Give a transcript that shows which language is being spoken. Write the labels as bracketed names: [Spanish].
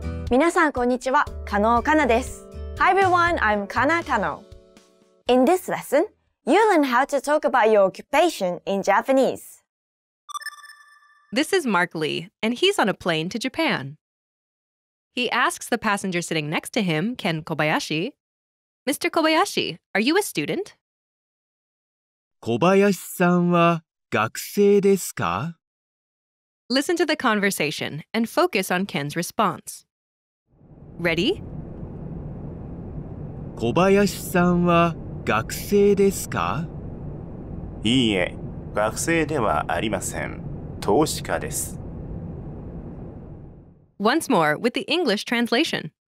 [Japanese] 皆さんこんにちは、カノーカナです。 [English] Hi everyone, I'm Kana Kano. In this lesson, you learn how to talk about your occupation in Japanese. This is Mark Lee, and he's on a plane to Japan. He asks the passenger sitting next to him, Ken Kobayashi, Mr. Kobayashi, are you a student? [Japanese] 小林さんは学生ですか? [English] Listen to the conversation and focus on Ken's response. Ready? [Japanese] 小林さんは学生ですか? いいえ、学生ではありません。投資家です。 [English] Once more with the English translation.